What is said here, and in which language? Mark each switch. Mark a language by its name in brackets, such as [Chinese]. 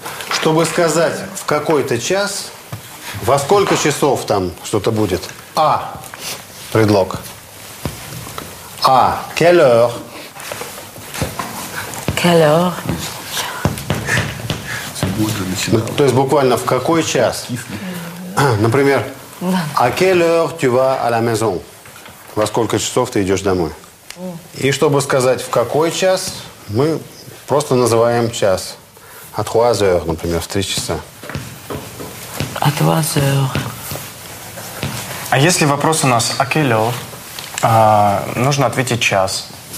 [Russian] Чтобы сказать в какой-то час... Во сколько часов там что-то будет? [French] А. Предлог. А. Quelle heure? Quelle heure? [Russian] Ну, то есть буквально в какой час? [French] Например, А quelle heure tu vas à la maison? [Russian] Во сколько часов ты идешь домой? И чтобы сказать в какой час, мы просто называем час. [French] А trois heures, [Russian] например, в три часа. А если вопрос у нас [French] «А quelle heure?», [Russian] нужно ответить «час».